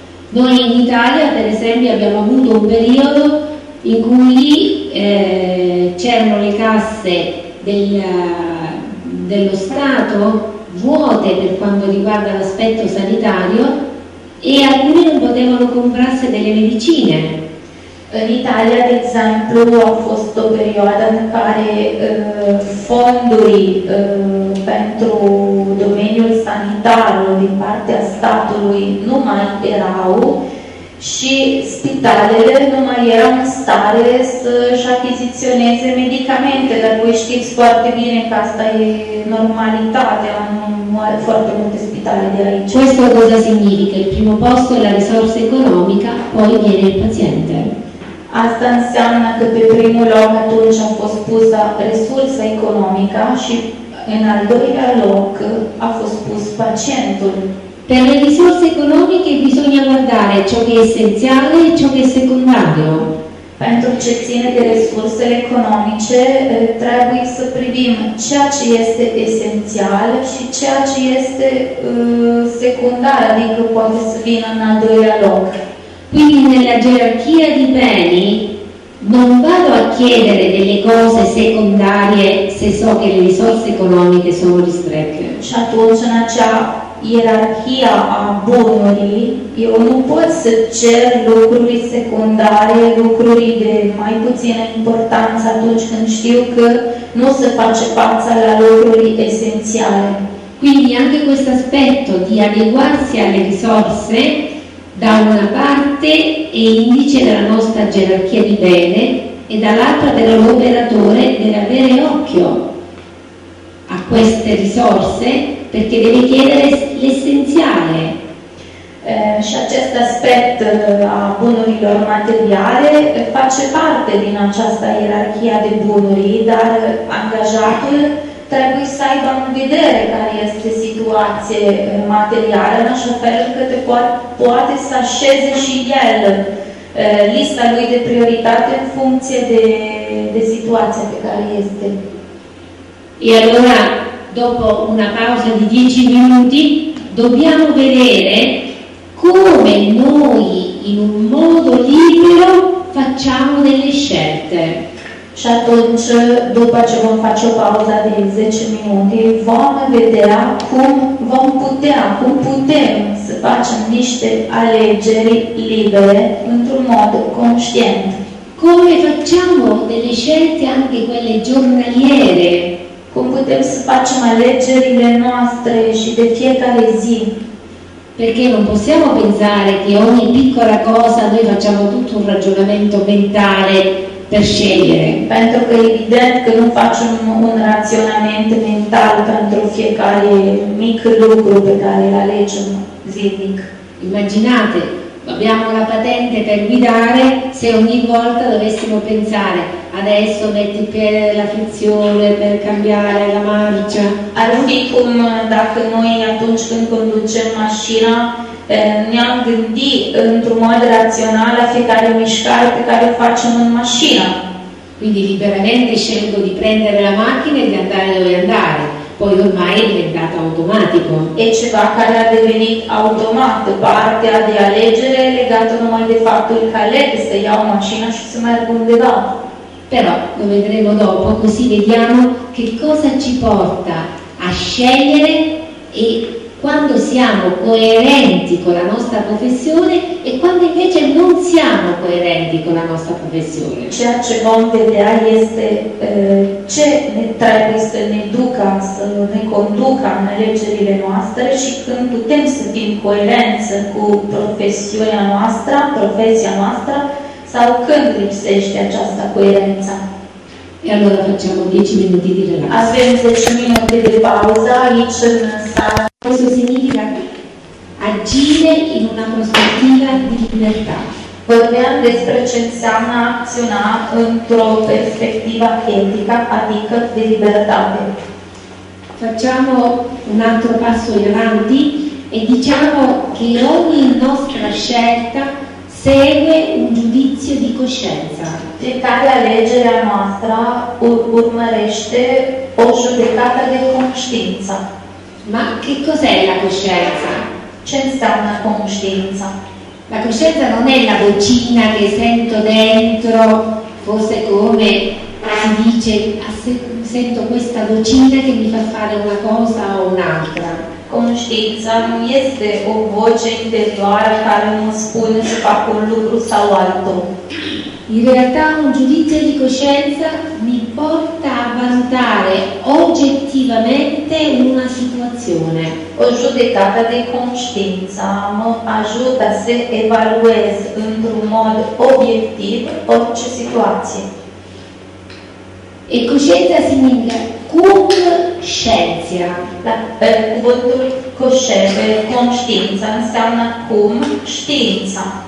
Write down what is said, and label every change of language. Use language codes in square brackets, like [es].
[it] Noi in Italia, per esempio, abbiamo avuto un periodo in cui c'erano le casse dello Stato vuote per quanto riguarda l'aspetto sanitario e alcuni non potevano comprarsi delle medicine. In Italia, ad esempio, [ro] ha fost o perioada in care fonduri pentru domeniul sanitario din partea statului nu mai erau și spitalele nu mai erau în stare să-și achiziționeze medicamente, dar voi știți foarte bine că asta e normalitatea în foarte multe spitale de aici. [it] Questo cosa significa? Il primo posto è la risorsa economica, poi viene il paziente. [ro] Asta înseamnă că pe primul loc atunci a fost pusă resursa economică și în al doilea loc a fost pus pacientul. [it] Per le risorse economiche bisogna guardare ciò che è essenziale e ciò che è secondario. [ro] Pentru ce ține de resursele economice, trebuie să privim ceea ce este esențial și ceea ce este secundar, adică poate să vină în al doilea loc. [it] Quindi nella gerarchia di beni non vado a chiedere delle cose secondarie se so che le risorse economiche sono ristrette. [ro] Și atunci în acea ierarhia a bunurii, eu nu pot să cer lucruri secundare, lucruri de mai puțină importanță atunci când știu că nu se face față la lucruri esențiale. [it] Quindi anche questo aspetto di adeguarsi alle risorse da una parte è indice della nostra gerarchia di bene e dall'altra però l'operatore deve avere occhio a queste risorse perché deve chiedere l'essenziale. [ro] Și acest aspect a bunurilor materiale face parte din această ierarhie de bunuri, dar angajatul trebuie să aibă în vedere care este situația materială, în așa fel că te poate să așeze și el lista lui de prioritate în funcție de situația pe care este. [it] Iar ora, dopo una pausa di 10 minuti, dobbiamo vedere come noi, in un modo libero, facciamo delle scelte. [ro] Și atunci, după ce vom face o pauză de 10 minute, vom vedea cum vom putea, cum putem să facem niște alegeri libere într-un mod conștient. [it] Come facciamo delle scelte anche quelle giornaliere? [ro] Cum putem să facem alegerile noastre și de fiecare zi? [it] Perché non possiamo pensare che ogni piccola cosa noi facciamo tutto un ragionamento mentale per scegliere. [ro] Pentru că evident că nu facem un raționament mental pentru fiecare mic lucru pe care îl alegem zilnic. [it] Immaginate, abbiamo la patente per guidare, se ogni volta dovessimo pensare adesso metti il piede nella frizione per cambiare la marcia. [ro] Ar fi cum dacă noi atunci când conducem mașina ne-am gândit într-un mod rațional la fiecare mișcare pe care o facem în mașină. [it] Quindi liberamente scelgo di prendere la macchina e di andare dove andare. Poi ormai è diventato automatico. [ro] E ceva care a devenit automat, partea de alegere legată numai de faptul că aleg să iau mașina și să merg undeva. [it] Però lo vedremo dopo, così vediamo che cosa ci porta a scegliere e quando siamo coerenti con la nostra professione e quando invece non siamo coerenti con la nostra professione. [ro] Ceea ce vom vedea este ce ne trebuie să ne ducă, să ne conducă în alegerile noastre și când putem să fim coerenți cu profesiunea noastră, profesia noastră, sau când lipsește această coerență. [it] E allora facciamo 10 minuti di relax. [ro] Avem 10 minute de pauză aici în sala. [it] Questo significa agire in una prospettiva di libertà. [ro] Vorbeam despre ce înseamnă acționa într-o perspectivă etică, adică de libertate. [it] Facciamo un altro passo in avanti e diciamo che ogni nostra scelta segue un giudizio di coscienza. [ro] Fiecare alegere a noastră urmărește o judecată de conștiință. [it] Ma che cos'è la coscienza? C'è stata una coscienza. La coscienza non è la vocina che sento dentro, forse come si dice, sento questa vocina che mi fa fare una cosa o un'altra. [ro] Conștiința nu este o voce interioară care mă spune să fac un lucru sau altul. [it] In realtà un giudizio di coscienza mi porta a valutare oggettivamente una situazione. [ro] O giudicata di conștiința mă ajută să evaluez într-un mod obiectiv orice situație. [it] E coscienza significa [la] cum scienția. [ro] Cuvântul coscienza, conștiința, înseamnă cum știința.